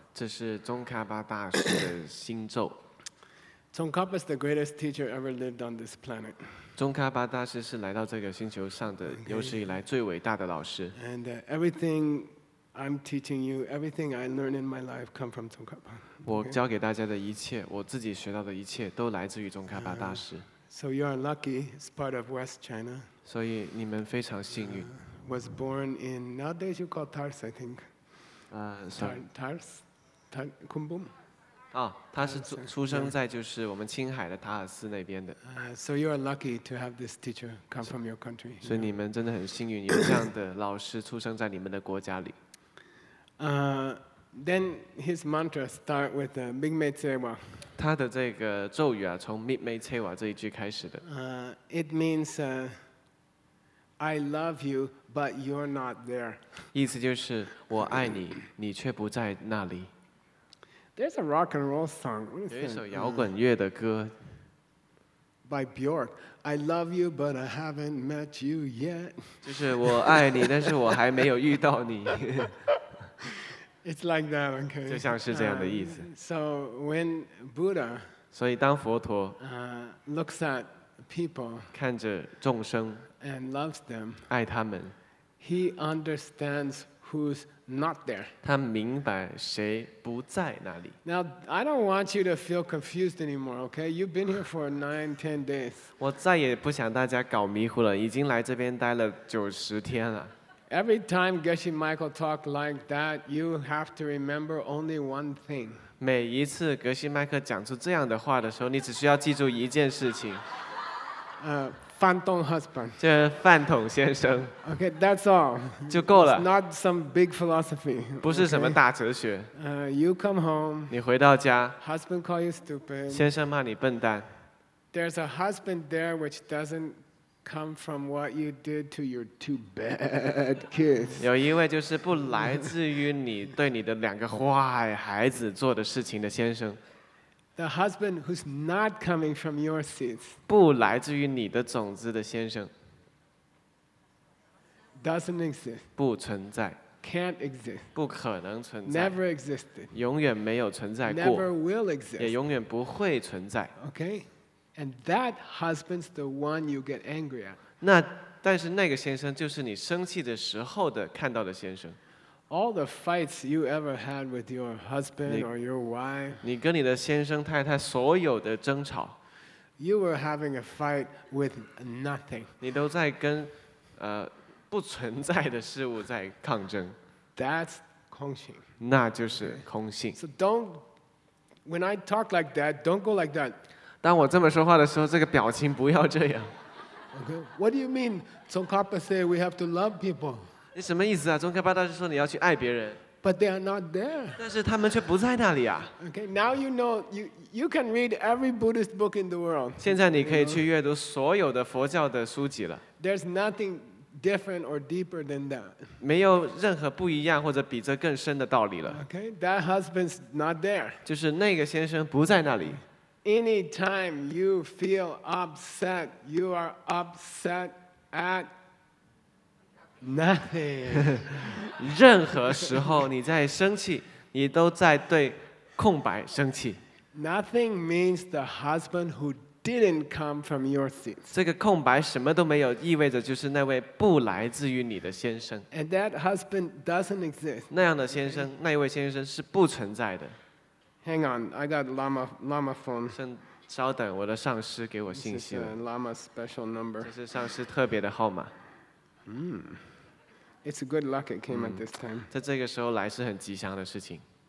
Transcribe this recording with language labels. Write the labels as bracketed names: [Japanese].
[Chinese] 这是宗喀巴大师的心咒。 [English] Tsongkhapa is the greatest teacher ever lived on this planet. [Chinese] 宗喀巴大师是来到这个星球上的有史以来最伟大的老师。 [English] And everything I'm teaching you, everything I learned in my life come from Tsongkhapa. [Chinese] 我教给大家的一切，我自己学到的一切都来自于宗喀巴大师。 [English] So you are lucky. It's part of West China. [Chinese] 所以你们非常幸运。 [English] Was born in nowadays you call Tars, I think. Tars, Kumbum. [Chinese] Ah, 他是出生在就是我们青海的塔尔斯那边的。 [English] So you are lucky to have this teacher come from your country. [Chinese] 所以你们真的很幸运，有这样的老师出生在你们的国家里。 [English] Then his mantra start with the Mikme Tsewa. [Chinese] 他的这个咒语啊，从 Mikme Tsewa 这一句开始的。 [English] It means. I love you, but you're not there. [Chinese] 意思就是我爱你，你却不在那里。 [English] There's a rock and roll song. [Chinese] 有一首摇滚乐的歌。 [English] By Bjork, I love you, but I haven't met you yet. [Chinese] 就是我爱你，但是我还没有遇到你。 [English] It's like that, okay? [Chinese] 就像是这样的意思。 [English] So when Buddha, [Chinese] 所以当佛陀 [English] looks at people, [Chinese] 看着众生。 [English] And loves them. [Chinese] 爱他们。 [English] He understands who's not there. [Chinese] 他明白谁不在那里。 [English] Now I don't want you to feel confused anymore. Okay, you've been here for 9-10 days. [Chinese] 我再也不想大家搞迷糊了。已经来这边待了90天了。 [English] Every time Geshe Michael talk like that, you have to remember only one thing. [Chinese] 每一次格西麦克讲出这样的话的时候，你只需要记住一件事情。 [English] Phantom husband. [Chinese] 这饭桶先生。 [English] Okay, that's all. [Chinese] 就够了。 [English] It's not some big philosophy. [Chinese] 不是什么大哲学。 [English] You come home. [Chinese] 你回到家。 [English] Husband call you stupid. [Chinese] 先生骂你笨蛋。 [English] There's a husband there which doesn't come from what you did to your two bad kids. [Chinese] 有一位就是不来自于你对你的两个坏孩子做的事情的先生。 [English] The husband who's not coming from your seeds, [Chinese] 不来自于你的种子的先生 [English] doesn't exist, [Chinese] 不存在 [English] can't exist, [Chinese] 不可能存在 [English] never existed, [Chinese] 永远没有存在过 [English] never will exist, [Chinese] 也永远不会存在 [English] okay, and that husband's the one you get angry at. [Chinese] 那但是那个先生就是你生气的时候的看到的先生 [English] All the fights you ever had with your husband or your wife. [Chinese] 你跟你的先生太太所有的争吵。 [English] You were having a fight with nothing. [Chinese] 你都在跟不存在的事物在抗争。 [English] That's 空性。 [Chinese] 那就是空性。 [English] So don't, when I talk like that, don't go like that. [Chinese] 当我这么说话的时候，这个表情不要这样。 [English] Okay. What do you mean? Tsongkhapa say we have to love people. [Chinese] 你什么意思啊？宗喀巴大师说你要去爱别人。 [English] But they are not there. [Chinese] 但是他们却不在那里啊。 [English] Okay. Now you know you can read every Buddhist book in the world. [Chinese] 现在你可以去阅读所有的佛教的书籍了。 [English] There's nothing different or deeper than that. [Chinese] 没有任何不一样或者比这更深的道理了。 [English] Okay. That husband's not there. [Chinese] 就是那个先生不在那里。 [English] Anytime you feel upset, you are upset at nothing. [Chinese] 任何时候你在生气，你都在对空白生气。 [English] Nothing means the husband who didn't come from your seat. [Chinese] 这个空白什么都没有，意味着就是那位不来自于你的先生。 [English] And that husband doesn't exist. [Chinese] 那样的先生，那一位先生是不存在的。 [English] Hang on, I got Lama phone. [Chinese] 先稍等，我的上师给我信息了。 [English] This is a Lama special number. [Chinese] 这是上师特别的号码。 [English] It's a good luck it came at this time. [Chinese] 在这个时候来是很吉祥的事情。